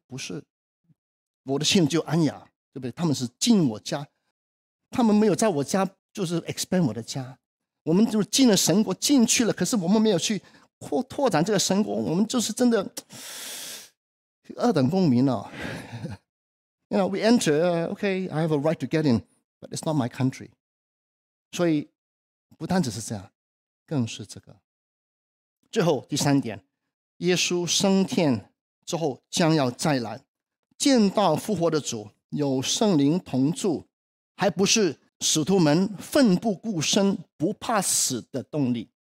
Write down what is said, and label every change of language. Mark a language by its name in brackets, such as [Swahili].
[Chinese] 不是，我的亲人就安雅，对不对？他们是进我家，他们没有在我家，就是 expand 我的家。我们就进了神国，进去了，可是我们没有去拓展这个神国，我们就是真的二等公民了。 [English] You know, we enter, okay, I have a right to get in, but it's not my country. [Chinese] 所以不单只是这样，更是这个。最后第三点，耶稣升天之后将要再来，见到复活的主，有圣灵同住，还不是使徒们奋不顾身不怕死的动力。